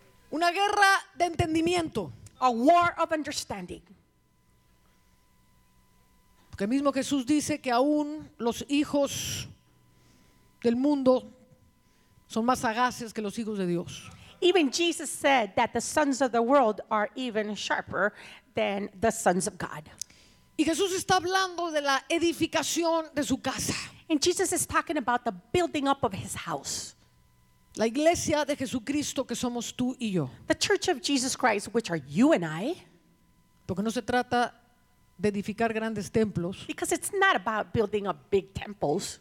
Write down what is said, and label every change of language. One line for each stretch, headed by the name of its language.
Spanish: Una guerra de entendimiento,
English: a war of understanding.
Spanish: Porque mismo Jesús dice que aún los hijos del mundo son más sagaces que los hijos de Dios.
English: Even Jesus said that the sons of the world are even sharper than the sons of God.
Spanish: Y Jesús está hablando de la edificación de su casa.
English: And Jesus is talking about the building up of his house.
Spanish: La iglesia de Jesucristo que somos tú y yo.
English: The church of Jesus Christ, which are you and I.
Spanish: Porque no se trata de edificar grandes templos.
English: Because it's not about building up big temples.